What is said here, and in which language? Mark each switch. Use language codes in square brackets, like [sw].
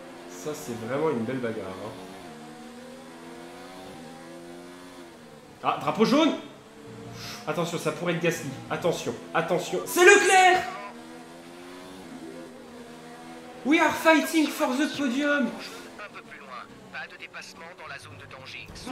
[fr] Ça, c'est vraiment une belle bagarre. Hein. Ah, drapeau jaune! Attention, ça pourrait être Gasly. Attention. C'est Leclerc! [en] We are fighting for the podium! [fr] Un peu plus loin, pas de dépassement dans la zone de danger.